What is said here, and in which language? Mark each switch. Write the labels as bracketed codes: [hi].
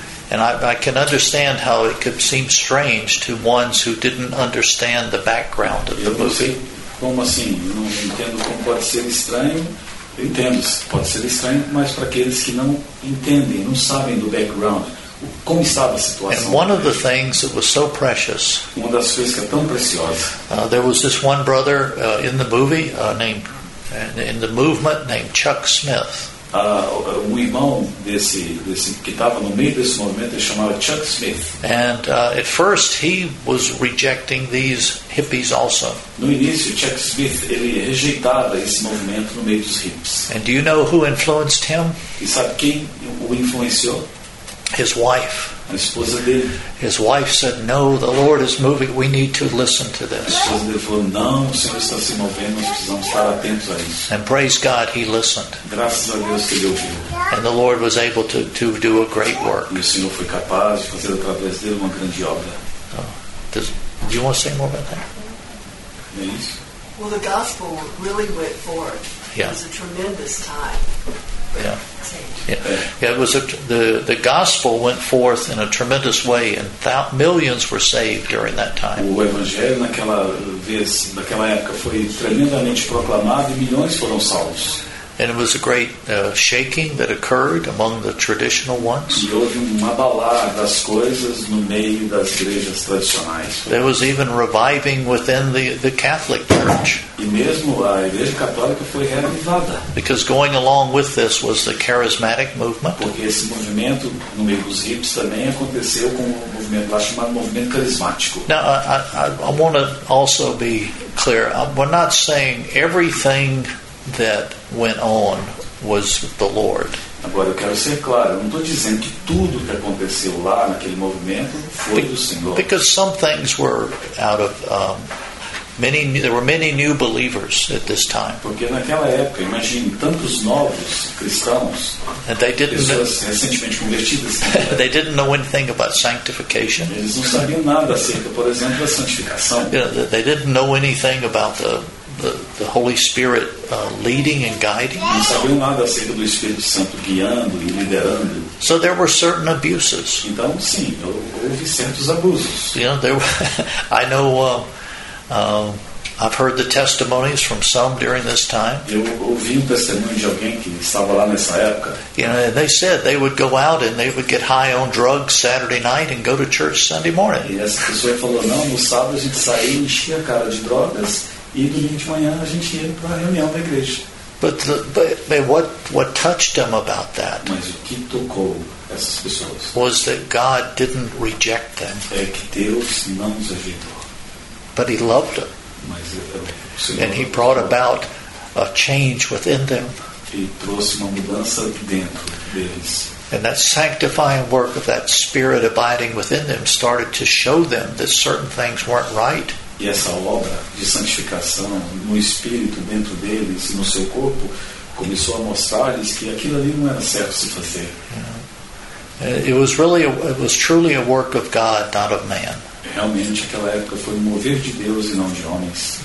[en] And I can understand how it could seem strange to ones who didn't understand the background of the movie. [pt] Como assim? Não entendo como pode ser estranho. Entendo, pode ser estranho, mas para aqueles que não entendem, não sabem do background, como estava a situação. [en] And one of the things that was so precious. [pt] Uma das coisas que é tão preciosa. [en] There was this one brother in the movie named. In the movement named Chuck Smith. [pt] Um irmão desse que estava no meio desse movimento, ele chamava Chuck Smith. [en] And at first he was rejecting these hippies also. [pt] No início, Chuck Smith, ele rejeitava esse movimento no meio dos hippies. [en] And do you know who influenced him? [pt] E sabe quem o influenciou? [en] His wife. [pt] A esposa dele. [en] His wife said, "No, the Lord is moving. We need to listen to this." [pt] A esposa dele falou, "Não, o Senhor está se movendo. Nós precisamos estar atentos a isso." [en] And praise God, he listened. [pt] Graças a Deus que ele ouviu. [en] And the Lord was able to do a great work. [pt] E o Senhor foi capaz de fazer através dele uma grande obra. [en] Do you want to say more about that? Please. Well, the gospel really went forth. Yeah. It was a tremendous time. Yeah, it was the gospel went forth in a tremendous way, and millions were saved during that time. [pt] O evangelho naquela época foi tremendamente proclamado e milhões foram salvos. [en] And it was a great shaking that occurred among the traditional ones. [pt] E houve um abalar das coisas no meio das igrejas tradicionais. [en] There was even reviving within the Catholic Church. [pt] E mesmo a igreja católica foi reavivada. [en] Because going along with this was the charismatic movement. [pt] Porque esse movimento no meio dos hippies também aconteceu com o movimento lá chamado movimento carismático. [en] Now I want to also be clear. We're not saying everything that went on was the Lord. [pt] Agora eu quero ser claro, eu não estou dizendo que tudo que aconteceu lá naquele movimento foi do Senhor. [en] Because some things were out of many, there were many new believers at this time. [pt] Porque naquela época, imagine tantos novos cristãos. [en] And they didn't [pt] recentemente convertidos. [en] They didn't know anything about sanctification. [pt] Eles não sabiam nada acerca, por exemplo, da santificação. [en] You know, they didn't know anything about the Holy Spirit leading and guiding. [pt] Não sabiam nada acerca do Espírito Santo guiando e liderando. [en] So there were certain abuses. [pt] Então sim, houve certos abusos. [en] You know, there were, I know I've heard the testimonies from some during this time. [pt] Eu ouvi um testemunho de alguém que estava lá nessa época. [en] You know, they said they would go out and they would get high on drugs Saturday night and go to church Sunday morning. [pt] E essa pessoa falou, não, no sábado a gente saía e enchia a cara de drogas. E domingo de manhã a gente ia para a reunião da igreja. [en] But what touched them about that? [pt] Mas o que tocou essas pessoas? [en] Was that God didn't reject them? [pt] É que Deus não os rejeitou. [en] But He loved them. [pt] Mas [en] and He brought about a change within them. [pt] E trouxe uma mudança dentro deles. [en] And that sanctifying work of that Spirit abiding within them started to show them that certain things weren't right. [pt] E essa obra de santificação no espírito dentro deles, no seu corpo, começou a mostrar-lhes que aquilo ali não era certo se fazer. [en] Yeah. It was truly a work of God, not of man. [pt] Realmente, aquela época foi um mover de Deus e não de homens.